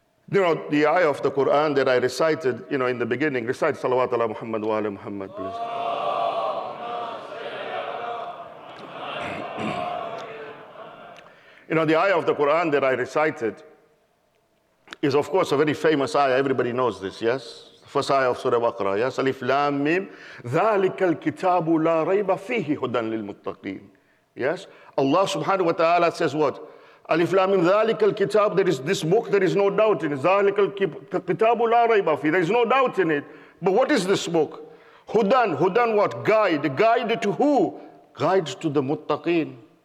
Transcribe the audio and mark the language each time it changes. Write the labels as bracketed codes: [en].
[en] You know, the ayah of the Quran that I recited, you know, in the beginning, recite [ar] Salawat ala Muhammad wa ala Muhammad, [en] please. You know, the ayah of the Quran that I recited is, of course, a very famous ayah. Everybody knows this, yes? First ayah of Surah Baqarah, yes? [ar] Alif Lam Mim, ذَلِكَ الْكِتَابُ لَا رَيْبَ فِيهِ هُدًى لِلْمُتَّقِينَ. [en] Yes, Allah subhanahu wa ta'ala says what? [ar] Alif lam mim dhalikal kitab, [en] there is this book, there is no doubt in it. [ar] Dhalikal kitabu la rayba fi, [en] there is no doubt in it. But what is this book? Hudan, hudan what? Guide. Guide to who? Guide to the muttaqeen.